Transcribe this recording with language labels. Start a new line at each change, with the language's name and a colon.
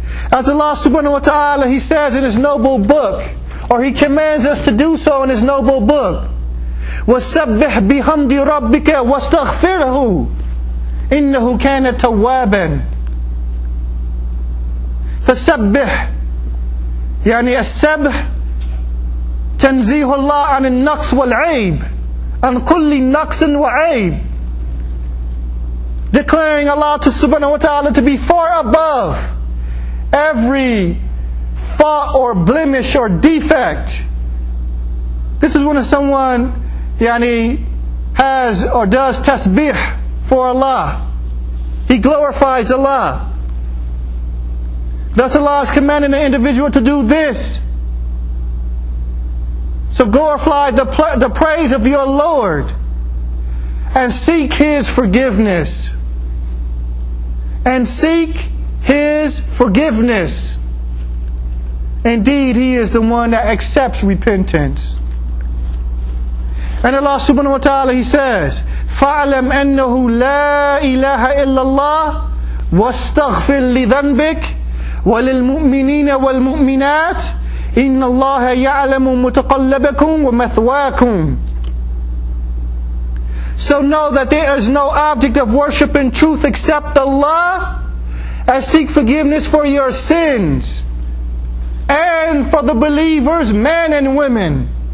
English: As Allah subhanahu wa ta'ala, He says in His noble book, or He commands us to do so in His noble book,
Arabic: وَسَبِّحْ بِحَمْدِ رَبِّكَ وَاسْتَغْفِرْهُ إِنَّهُ كَانَ تَوَّابًا فَسَبِّحْ. يعني السبح تنزيه الله عن النقص والعيب عن كل نقص وعيب.
English: Declaring Allah to subhanahu wa ta'ala to be far above every fault or blemish or defect. This is when someone, yani, has or does tasbih for Allah. He glorifies Allah. Thus Allah is commanding an individual to do this. So glorify the praise of your Lord and seek His forgiveness. And seek His forgiveness. Indeed, He is the one that accepts repentance. And Allah subhanahu wa ta'ala, He says,
Arabic: فَعْلَمْ أَنَّهُ لَا إِلَهَ إِلَّا اللَّهِ وَاسْتَغْفِرْ لِذَنْبِكَ وَلِلْمُؤْمِنِينَ وَالْمُؤْمِنَاتِ إِنَّ اللَّهَ يَعْلَمُ مُتَقَلَّبَكُمْ وَمَثْوَاكُمْ.
English: So know that there is no object of worship in truth except Allah, and seek forgiveness for your sins and for the believers, men and women.